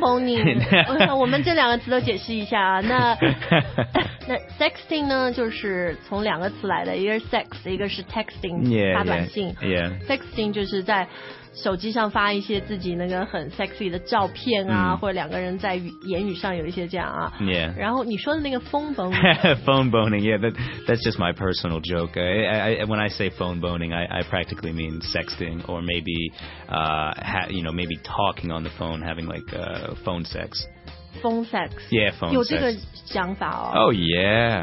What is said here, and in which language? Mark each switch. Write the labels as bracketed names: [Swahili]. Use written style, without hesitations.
[English] Phone boning. [Chinese] 我们这两个词都解释一下啊。那 sexting 呢，就是从两个词来的，一个是 sex， 一个是 texting， [English] yeah, [Chinese] 发短信。 [English] Yeah, yeah. [Chinese] Sexting 就是在手机上发一些自己那个很 sexy 的照片啊、或者两个人在言语上有一些这样啊 [English] yeah [Chinese] 然后你说的那个 [English] phone boning phone boning yeah that's just my personal joke when I say phone boning I practically mean sexting or maybe you know maybe talking on the phone having like phone sex Phone sex. Yeah, phone sex. [Chinese] 有这个想法哦。 [English] Oh, yeah.